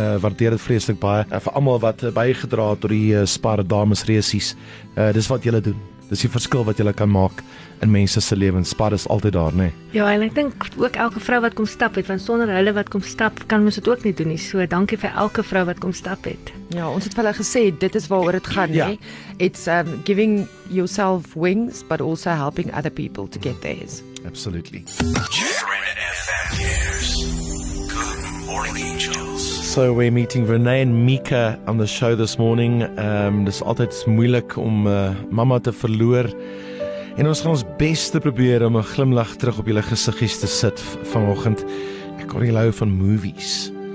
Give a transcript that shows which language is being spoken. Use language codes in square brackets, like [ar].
[af] Waardeer dit vreeslik baie vir almal wat bygedra het tot die Spar dames resies. Dis wat julle doen. Dis die verskil wat jy kan maak in mense se lewens. Spar is altyd daar, nê? Nee? Ja, en ek dink ook elke vrou wat kom stap het, want sonder hulle wat kom stap, kan ons dit ook nie doen nie. So, dankie vir elke vrou wat kom stap het. Ja, ons het vir hulle gesê, dit is waaroor dit gaan, ja. Nê? Nee? [en] It's giving yourself wings, but also helping other people to get theirs. Absolutely. Good morning, angels. So we're meeting Renee and Mika on the show this morning. [af] Dis altyd moeilik om mama te verloor. En ons gaan ons bes te probeer om 'n glimlag terug op julle gesiggies te sit vanoggend. Ek hoor jy hou van movies.